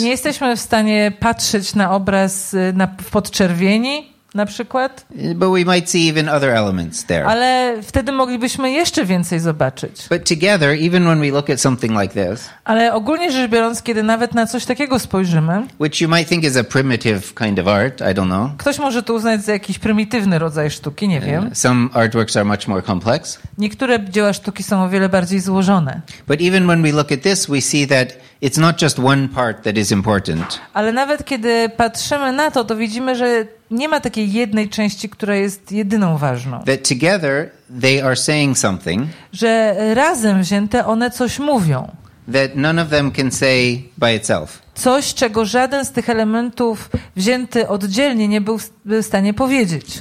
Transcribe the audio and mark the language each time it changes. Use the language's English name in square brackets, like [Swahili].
[Polish] Nie jesteśmy w stanie patrzeć na obraz w podczerwieni. Na przykład? [English] But we might see even other elements there. [Polish] Ale wtedy moglibyśmy jeszcze więcej zobaczyć. [English] But together, even when we look at something like this, [Polish] ale ogólnie rzecz biorąc, kiedy nawet na coś takiego spojrzymy, [English] which you might think is a primitive kind of art, I don't know. [Polish] Ktoś może to uznać za jakiś prymitywny rodzaj sztuki, nie wiem. [English] Some artworks are much more complex. [Polish] Niektóre dzieła sztuki są o wiele bardziej złożone. [English] But even when we look at this, we see that it's not just one part that is important. [Polish] Ale nawet kiedy patrzymy na to, to widzimy, że nie ma takiej jednej części, która jest jedyną ważną. [English] That together they are saying something. [Polish] Że razem wzięte one coś mówią. [English] That none of them can say by itself. [Polish] Coś, czego żaden z tych elementów wzięty oddzielnie nie był w stanie powiedzieć.